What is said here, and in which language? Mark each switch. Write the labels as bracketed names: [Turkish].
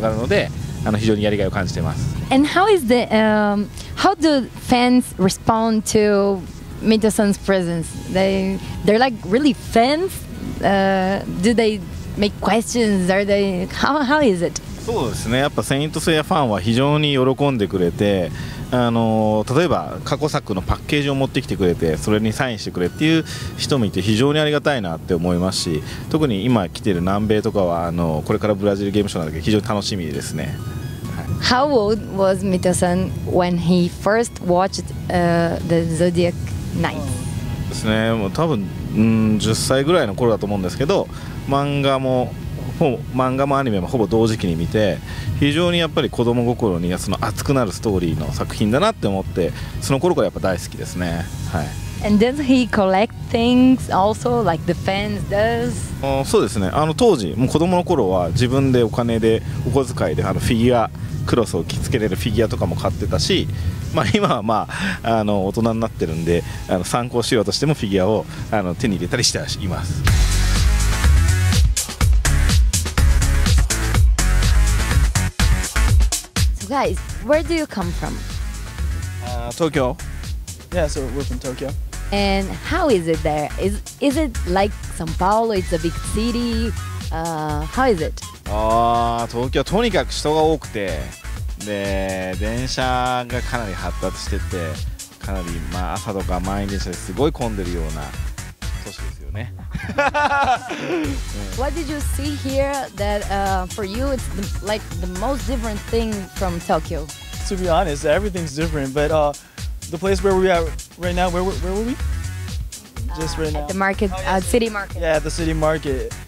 [Japanese] イベントだったりでいろんなとこに行かせてもらって、まあ移動は大変なんですけど、やっぱそのファンの方々とか非常に喜んでくれたりとか、記者の方がいい反応をし出し、まああの見せてくれると非常に嬉しくて、あのそれがまた開発へのモチベーションにつながるので、あの非常にやりがいを感じています。 [English] And how is the how do fans respond to Mito-san's presence? They're like really fans? Do they make questions? Are they how is it? [Japanese] そうですね。やっぱセイントセイヤファンは非常に喜んでくれて、あの例えば過去作のパッケージを持ってきてくれて、それにサインしてくれっていう人もいて非常にありがたいなって思いますし、特に今来てる南米とかはあのこれからブラジルゲームショーなんで非常に楽しみですね。 [English] How old was Mito-san when he first watched the Zodiac Knight? [Japanese] ですね。もう多分10歳ぐらいの頃だと思うんですけど、漫画も漫画もアニメもほぼ同時期に見て、非常にやっぱり子供心にその熱くなるストーリーの作品だなって思って、その頃からやっぱ大好きですね。はい。 [English] And does he collect things also like the fans does? [Japanese] そうですね。あの当時もう子供の頃は自分でお金でお小遣いであのフィギュアクロスを着付けれるフィギュアとかも買ってたし、まあ、今はまあ、あの大人になってるんで、あの参考資料としてもフィギュアをあの手に入れたりしています。 [English] Guys, where do you come from? Tokyo. Yeah, so we're from Tokyo. And how is it there? Is it like São Paulo? It's a big city. How is it? Tokyo. [Japanese] とにかく人が多くて、で電車がかなり発達してて、かなりまあ朝とか満員電車ですごい混んでるような都市ですよね。 [English] What did you see here that for you it's the, like the most different thing from Tokyo? To be honest, everything's different. But the place where we are right now, where were we? Just right now. At the market, city market. Yeah, at the city market.